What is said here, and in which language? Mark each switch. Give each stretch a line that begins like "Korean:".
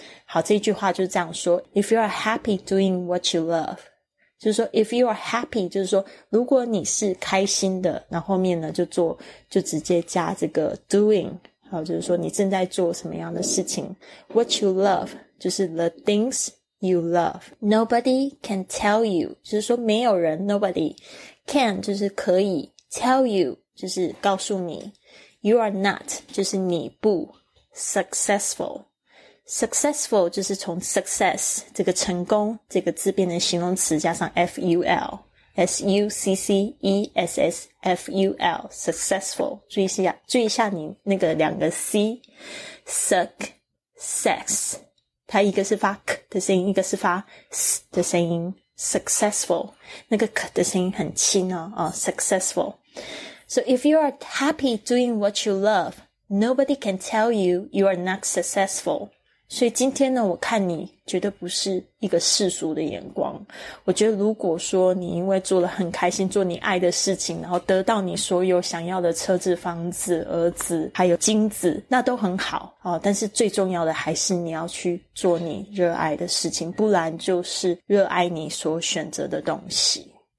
Chinese: 好，这句话就是这样说，
English: If you are happy doing what you love，
Chinese: 就是说
English: if you are happy，
Chinese: 就是说如果你是开心的，然后面呢就做，就直接加这个 doing， 好，就是说你正在做什么样的事情。
English: What you love
Chinese: 就是
English: the things you love。 Nobody can tell you，
Chinese: 就是说没有人，
English: nobody can
Chinese: 就是可以，
English: tell you
Chinese: 就是告诉你，
English: you are not
Chinese: 就是你不 successful。 Successful 就是从 success 这个成功这个字变成形容词，加上 ful， successful， successful， 注意一下你那个两个 c， success， 它一个是发 k 的声音，一个是发 s 的声音， successful 那个 k 的声音很轻哦，successful。
English: So if you are happy doing what you love， nobody can tell you you are not successful。
Chinese: 所以今天呢，我看你绝对不是一个世俗的眼光。我觉得如果说你因为做了很开心，做你爱的事情，然后得到你所有想要的车子、房子、儿子，还有金子，那都很好哦。但是最重要的还是你要去做你热爱的事情，不然就是热爱你所选择的东西。